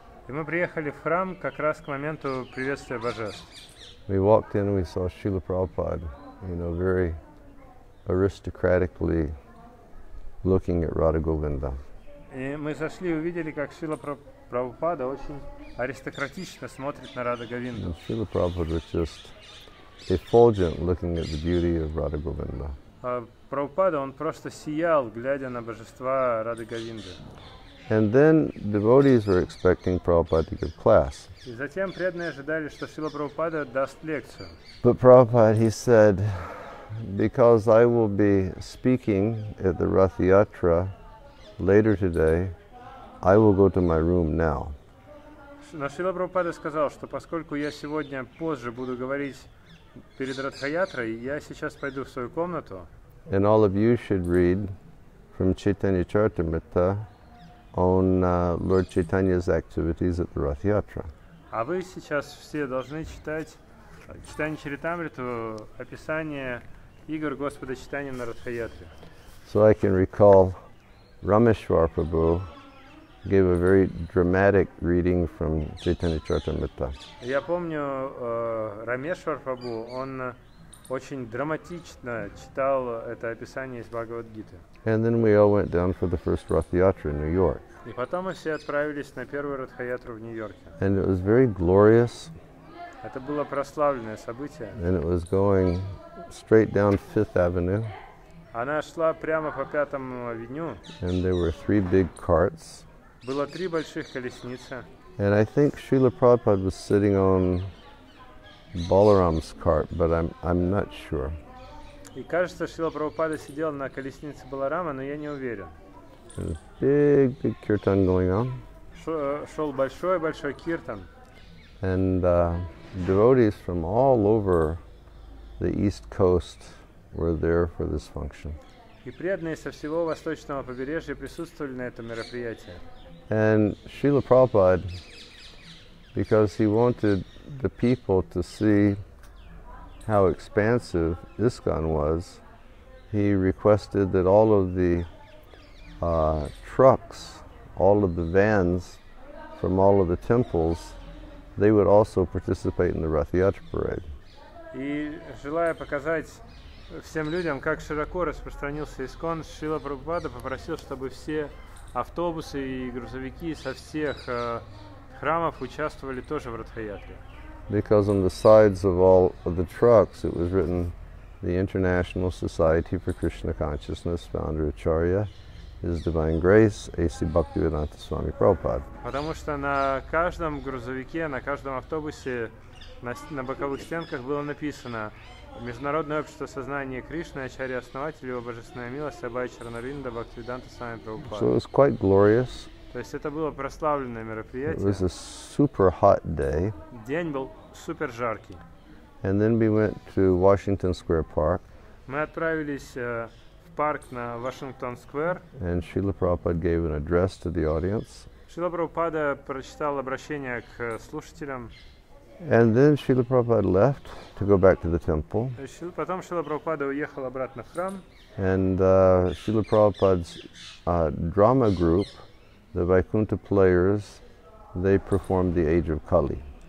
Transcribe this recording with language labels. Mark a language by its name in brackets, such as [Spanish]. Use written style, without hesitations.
[Russian] И мы приехали в храм как раз к моменту приветствия божеств. [English] We walked in and we saw Srila Prabhupada, you know, very aristocratically looking at Radha Govinda. [Russian] И мы зашли и увидели, как Шрила Прабхупада очень аристократично смотрит на Радха Говинду. [English] Шрила Прабхупада was just effulgent looking at the beauty of Radha Govinda. [Russian] Прабхупада, он просто сиял, глядя на божества Радха Говинды. [English] And then devotees were expecting Prabhupada to give class. [Russian] И затем преданные ожидали, что Шрила Прабхупада даст лекцию. [English] But Prabhupada, he said, because I will be speaking at the Rath Yatra later today, I will go to my room now. [Russian] Но Шрила Прабхупада сказал, что поскольку я сегодня позже буду говорить перед Радхаятрой, я сейчас пойду в свою комнату. [English] And all of you should read from Chaitanya Charitamrita on Lord Chaitanya's activities at the Rath Yatra. [Russian] А вы сейчас все должны читать Chaitanya Charitamrita, описание игр Господа Чайтаньи на Радхаятре. [English] So I can recall Rameshwar Prabhu gave a very dramatic reading from Chaitanya Charitamrita. [Russian] Я помню, Рамешвар Прабху, он очень драматично читал это описание из Бхагавад-гиты. [English] And then we all went down for the first Rath Yatra in New York. [Russian] И потом мы все отправились на первую Радхаятру в Нью-Йорке. [English] And it was very glorious. [Russian] Это было прославленное событие. [English] And it was going straight down Fifth Avenue. [Russian] Она шла прямо по Пятому Авеню. [English] And there were three big carts. [Russian] Было три больших колесницы. [English] And I think Srila Prabhupada was sitting on Balaram's cart, but I'm not sure. [Russian] И кажется, Шрила Прабхупада сидел на колеснице Баларама, но я не уверен. [English] Big, big kirtan going on. [Russian] Шел большой киртан. [English] And devotees from all over the East Coast were there for this function. [Russian] И преданные со всего восточного побережья присутствовали на этом мероприятии. [English] And Srila Prabhupada, because he wanted the people to see how expansive ISKCON was, he requested that all of the trucks, all of the vans from all of the temples, they would also participate in the Rath Yatra parade. [Russian] И желая показать всем людям, как широко распространился ИСККОН, Шрила Прабхупада попросил, чтобы все автобусы и грузовики со всех храмов участвовали тоже в Ратха-Ятре. [English] Because on the sides of all of the trucks it was written the International Society for Krishna Consciousness, founder Acharya, His Divine Grace, A.C. Bhaktivedanta Swami Prabhupada. [Russian] Потому что на каждом грузовике, на каждом автобусе, на боковых стенках было написано Международное общество сознания Кришны, Ачарья основатель, его божественная милость, Абай Чарнаринда, Бхактивиданта Свами Прабхупада. [English] So it was quite glorious. [Russian] То есть это было прославленное мероприятие. [English] It was a super hot day. [Russian] День был супер жаркий. [English] And then we went to Washington Square Park. [Russian] Мы отправились в парк на Washington Square. [English] And Srila Prabhupada gave an address to the audience. [Russian] Шрила Прабхупада прочитал обращение к слушателям. [English] And then Srila Prabhupada left to go back to the temple. [Russian] Потом Шрила Прабхупада уехал обратно в храм. [English] And Srila Prabhupada's drama group, the Vaikuntha Players, they performed the Age of Kali.